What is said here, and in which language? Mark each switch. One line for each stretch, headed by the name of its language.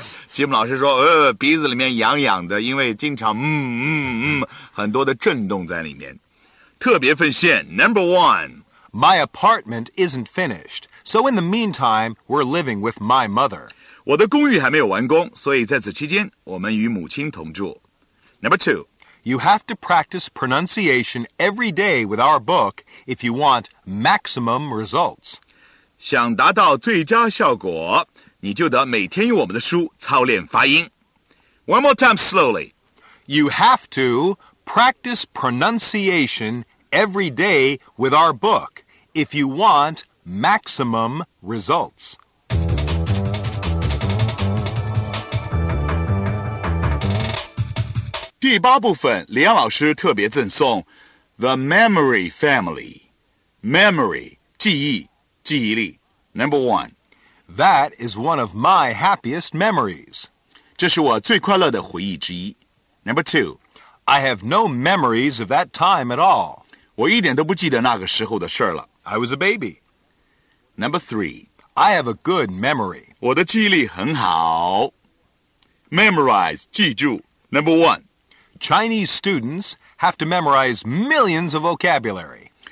Chinese: 吉姆老师说鼻子里面痒痒的因为经常很多的震动在里面。特别奉献
English: Number one. My apartment isn't finished. So in the meantime, we're living with my mother.
Chinese: 我的公寓还没有完工所以在此期间我们与母亲同住。
English: Number two. You have to practice pronunciation every day with our book if you want maximum results.
Chinese: 想达到最佳效果你就得每天用我们的书操练发音。
English: One more time slowly. You have to practice pronunciation every day with our book if you want maximum results. The Memory Family. Memory,
Chinese: 记忆力.
English: Number one. That is one of my happiest memories.
Chinese: 这是我最快乐的回忆之一。
English: Number two. I have no memories of that time at all.
Chinese: 我一点都不记得那个时候的事了。
English: I was a baby. Number three. I have a good memory.
Chinese: 我的记忆力很好。Memorize, 记住。
English: Number one. Chinese students have to memorize millions of vocabulary.